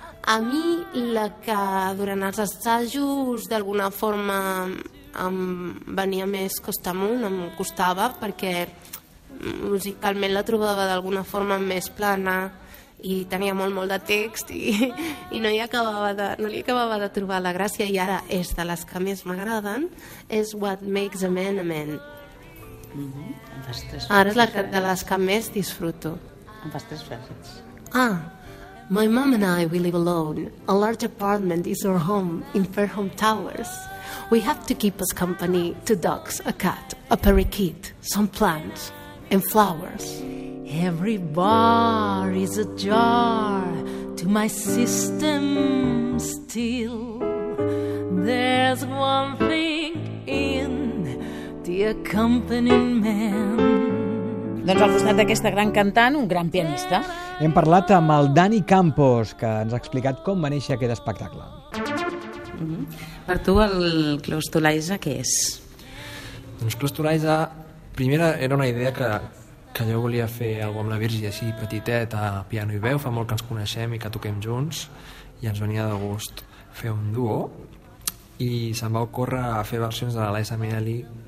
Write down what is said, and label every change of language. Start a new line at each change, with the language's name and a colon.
Catalan: A mi, la que durant els assajos d'alguna forma em venia més costa amunt, em costava, perquè musicalment la trobava d'alguna forma més plana i tenia molt de text i no li acabava de trobar la gràcia, i ara és de les que més m'agraden, és What Makes a Man a Man. Mm-hmm. Ara és la de les que més disfruto. Em fas tres versets.
English: Ah, my mom and I, we live alone. A large apartment is our home in Fairholme Towers. We have to keep us company, two dogs, a cat, a parakeet, some plants and flowers. Every bar is a jar to my system still. There's one thing in the accompanying man.
Catalan: Doncs al costat d'aquesta gran cantant, un gran pianista. Hem parlat amb el Dani Campos, que ens ha explicat com va néixer aquest espectacle. Mm-hmm. Per tu, el Klaus Tolaiza, què és? Doncs Klaus Tolaiza, primera, era una idea que jo volia fer alguna amb la Virgi, així petitet, a piano i veu. Fa molt que ens coneixem i que toquem junts, i ens venia de gust fer un duo, i se'm va ocórrer a fer versions de l'Eliza Minnelli,